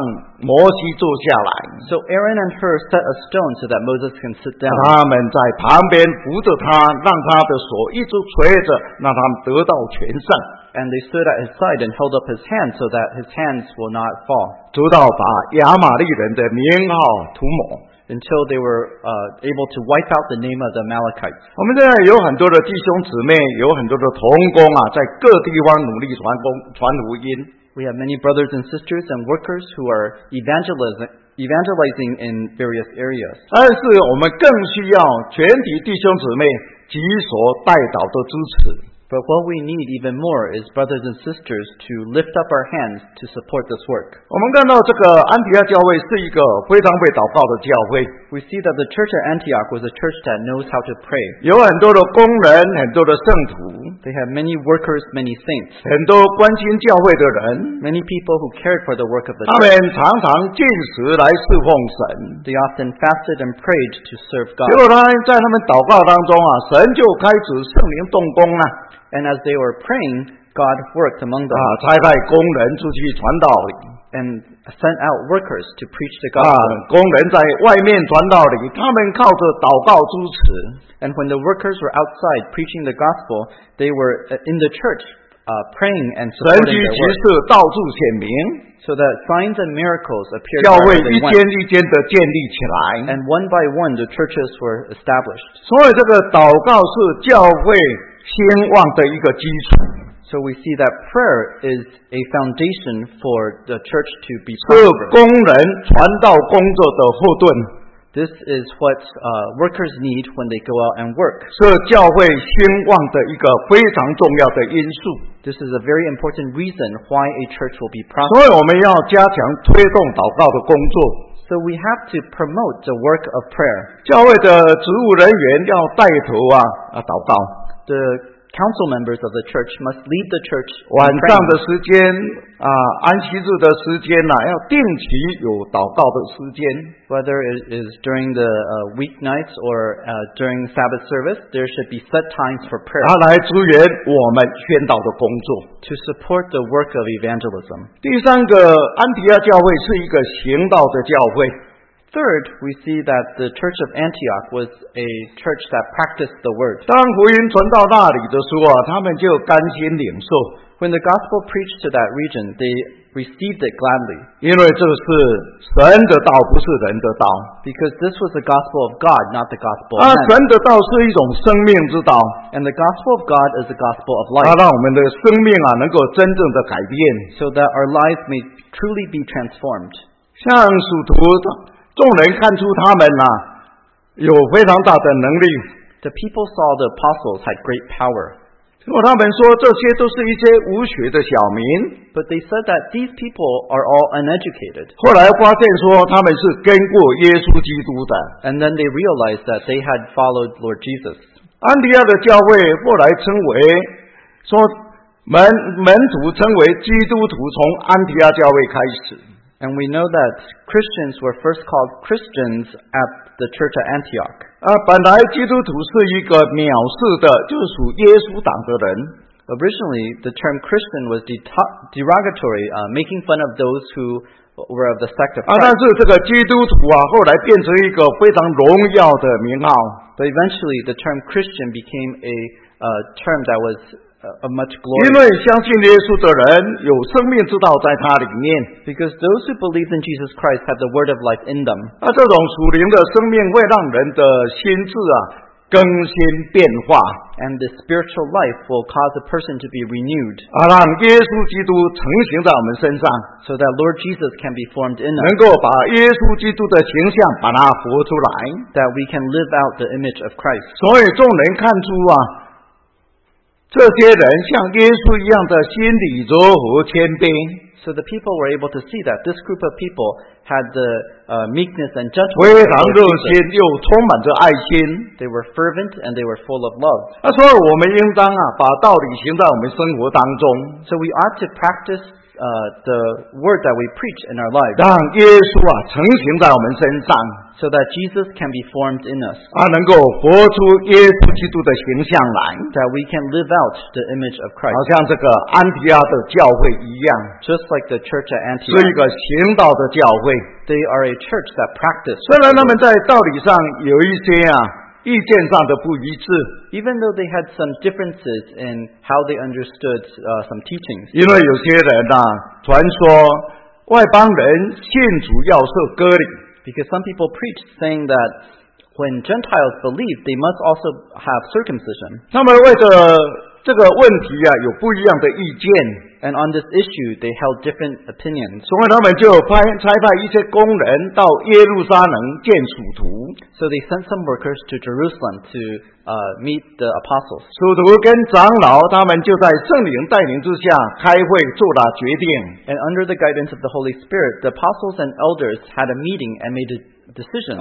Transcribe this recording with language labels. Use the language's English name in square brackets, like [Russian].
[Chinese] 所以亚伦、布我就搬个石头让摩西坐下来。 [English] So Aaron and Hur set a stone so that Moses can sit down. [Chinese] 他们在旁边扶着他，让他的手一直垂着，让他们得到全胜。 [English] And they stood at his side and held up his hand so that his hands will not fall. [Chinese] 直到把亚玛力人的名号涂抹。 [English] until they were able to wipe out the name of the Amalekites. [Chinese] 我们现在有很多的弟兄姊妹，有很多的同工啊，在各地方努力传工传福音。 [English] We have many brothers and sisters and workers who are evangelizing in various areas. [Chinese] 但是我们更需要全体弟兄姊妹举手代祷的支持。 [English] But what we need even more is brothers and sisters to lift up our hands to support this work. [Chinese] 我们看到这个安提阿教会是一个非常会祷告的教会。 [English] We see that the church at Antioch was a church that knows how to pray. [Chinese] 有很多的工人，很多的圣徒。 [English] They have many workers, many saints. [Chinese] 很多关心教会的人。 [English] Many people who cared for the work of the church. [Chinese] 他们常常进食来侍奉神。 [English] They often fasted and prayed to serve God. [Chinese] 结果呢，在他们祷告当中啊，神就开始圣灵动工了。 [English] And as they were praying, God worked among them. [Chinese] 差派工人出去传道理。 [English] And sent out workers to preach the gospel. [Chinese] 工人在外面传道理，他们靠着祷告支持。 [English] And when the workers were outside preaching the gospel, they were in the church, praying and supporting their work. [Chinese] 神迹奇事到处显明。 [English] So that signs and miracles appeared. [Chinese] 教会一间一间的建立起来。 [English] And one by one, the churches were established. [Chinese] 所以这个祷告是教会兴旺的一个基础。 [English] So we see that prayer is a foundation for the church to be prosperous. [Chinese] 是工人传道工作的后盾。 [English] This is what workers need when they go out and work. [Chinese] 是教会兴旺的一个非常重要的因素。 [English] This is a very important reason why a church will be prosperous. [Chinese] 所以我们要加强推动祷告的工作。 [English] So we have to promote the work of prayer. [Chinese] 教会的职务人员要带头啊祷告。 [English] The council members of the church must lead the church. [Chinese] 晚上的时间啊，安息日的时间呐、啊，要定期有祷告的时间。 [English] Whether it is during the weeknights or during Sabbath service, there should be set times for prayer. [Chinese] 他来支援我们宣道的工作。 [English] To support the work of evangelism. [Chinese] 第三个，安提阿教会是一个行道的教会。 [English] Third, we see that the Church of Antioch was a church that practiced the word. [Chinese] 当福音传到那里的时候啊，他们就甘心领受。 [English] When the gospel preached to that region, they received it gladly. [Chinese] 因为这是神的道，不是人的道。 [English] Because this was the gospel of God, not the gospel of man. [Chinese] 神的道是一种生命之道。 [English] And the gospel of God is the gospel of life. [Chinese] 它让我们的生命啊，能够真正的改变。 [English] So that our lives may truly be transformed. [Chinese] 像使徒众人看出他们呐、啊，有非常大的能力。 [English] The people saw the apostles had great power. [Chinese] 结果他们说这些都是一些无学的小民。 [English] But they said that these people are all uneducated. [Chinese] 后来发现说他们是跟过耶稣基督的。 [English] And then they realized that they had followed Lord Jesus. [Chinese] 安提阿的教会后来称为说门徒称为基督徒，从安提阿教会开始。 [English] And we know that Christians were first called Christians at the church at Antioch. [Chinese] 本来基督徒是一个藐视的，就是属耶稣党的人。 [English] Originally, the term Christian was derogatory, making fun of those who were of the sect of Christ. [Chinese] 但是这个基督徒啊，后来变成一个非常荣耀的名号。 [English] But eventually, the term Christian became a term that was a much glory. [Chinese] 因为相信耶稣的人有生命之道在他里面。 [English] Because those who believe in Jesus Christ have the word of life in them. [Chinese] 那这种属灵的生命会让人的心智啊更新变化。 [English] And the spiritual life will cause a person to be renewed. [Chinese] 让耶稣基督成形在我们身上。 [English] So that Lord Jesus can be formed in us. [Chinese] 能够把耶稣基督的形象把它活出来。 [English] That we can live out the image of Christ. [Chinese] 所以众人看出啊，这些人像耶稣一样的心里柔和谦卑。 [English] So the people were able to see that this group of people had the meekness and gentleness. [Chinese] 非常热心又充满着爱心。 [English] They were fervent and they were full of love. [Chinese] 那所以我们应当啊，把道理行在我们生活当中。 [English] So we ought to practice the word that we preach in our lives. [Chinese] 让耶稣啊成形在我们身上。 [English] So that Jesus can be formed in us. [Chinese] 能够活出耶稣基督的形象来。 [English] That we can live out the image of Christ. [Chinese] 好像这个安提阿的教会一样。 [English] Just like the church at Antioch. [Chinese] 是一个行道的教会。 [English] They are a church that practices. [Chinese] 虽然他们在道理上有一些啊意见上的不一致。 [English] Even though they had some differences in how they understood some teachings. [Chinese] 因为有些人啊传说外邦人信主要受割礼。 [English] Because some people preach saying that when Gentiles believe, they must also have circumcision. [Chinese] 他们为着这个问题啊, 有不一样的意见, [English] and on this issue, they held different opinions. [Chinese] 所以他们就差派一些工人到耶路撒冷见使徒, [English] so they sent some workers to Jerusalem to meet the apostles. [Chinese] 使徒跟长老他们就在圣灵带领之下开会做了决定, [English] and under the guidance of the Holy Spirit, the apostles and elders had a meeting and made a decision.